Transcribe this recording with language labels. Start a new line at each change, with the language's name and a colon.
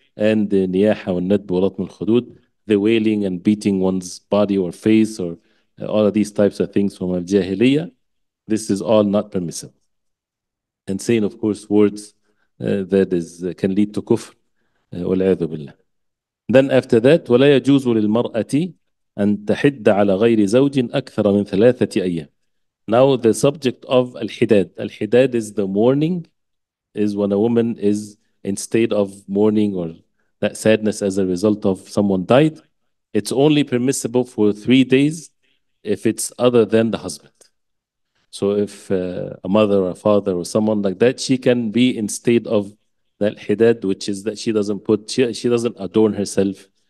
English: And the
Arabic: niyaha wa nadb wa latm al-khudud,
English: the wailing and beating one's body or face, or all of these types of things from al-jahiliyyah, this is all not permissible. And saying, of course, words that is can lead to kufr. Wal-a'adhu billah. Then after that,
Arabic: وَلَا يَجُوزُ لِلْمَرْأَةِ أَن تَحِدَّ عَلَى غَيْرِ زَوْجٍ أَكْثَرَ مِنْ ثَلَاثَةِ أَيَّامٍ.
English: Now the subject of al-hidad. Al-hidad is the mourning, is when a woman is in state of mourning or that sadness as a result of someone died. It's only permissible for 3 days if it's other than the husband. So if a mother or a father or someone like that, she can be in state of that hidad, which is that she doesn't adorn herself.